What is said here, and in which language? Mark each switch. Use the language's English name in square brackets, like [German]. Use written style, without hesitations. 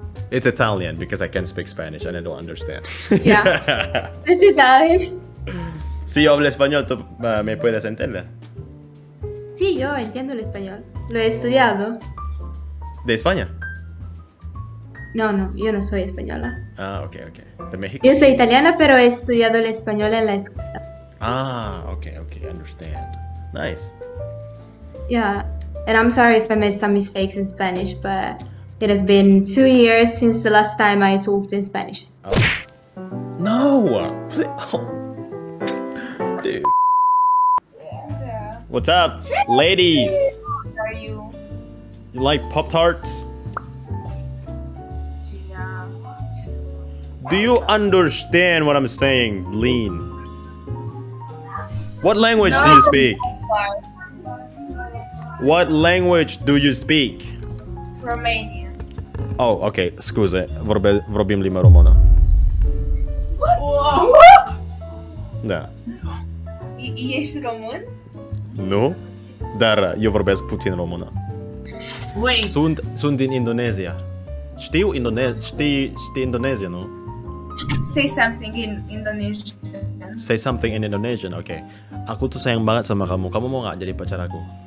[English] It's Italian because I can't speak Spanish and I don't understand. Yeah, it's Italian. [Spanish] Si yo hablo español, ¿tú me puedes entender? Sí, yo entiendo el español. Lo he estudiado. ¿De España? No, no, yo no soy española. Ah, ok, ok. ¿De México? Yo soy italiana, pero he estudiado el español en la escuela. [English] Ah, ok, ok, understand. Nice. Yeah, and I'm sorry if I made some mistakes in Spanish, but it has been 2 years since the last time I talked in Spanish. Oh. No! Please. What's up, ladies? How are you? You like Pop Tarts? Do you understand what I'm saying, Lean? What language do you speak? What language do you speak? Romanian. [Romanian] Oh, okay. Scuze. Vorbim limba română. [English] What? What? Da. [Romanian] Ești român? Nu, dar eu vorbesc puțin română. [English] Wait. [Romanian] Sunt din Indonezia. Știu indonezia, știi indonezia, nu? [English] Say something in Indonesian. Say something in Indonesian, okay. [Indonesian] Aku tuh sayang banget sama kamu, kamu mau gak jadi pacar aku?